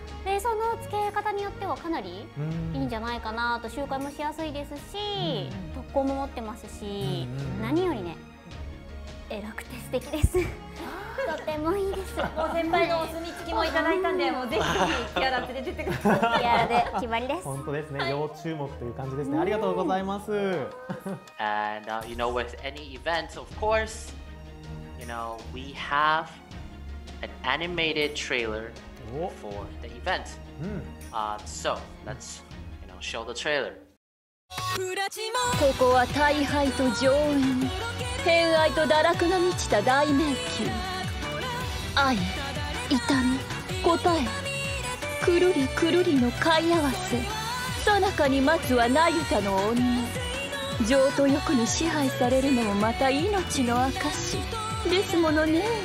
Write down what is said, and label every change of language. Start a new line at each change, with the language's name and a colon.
Japanese: でその付け方によってはかなりいいんじゃないかなと、周回もしやすいですし、うん、特攻も持ってますし、うん、何よりね、えらくて素敵ですとてもいいです。もう先輩のお墨付きもいただいたんで、もうぜひキアラって出てください。キアラで決まりです。本当ですね、要注目という感じですね。ありがとうございます。
English: And、you know, with any event, of course, you know, we have an animated trailer for the event、so let's, you know, show the trailer。
Japanese: ここは大敗と上演、偏愛と堕落が満ちた大迷宮、愛、痛み、答え、くるりくるりの飼い合わせ、最中に待つはナユタの女、情と欲に支配されるのもまた命の証ですものね。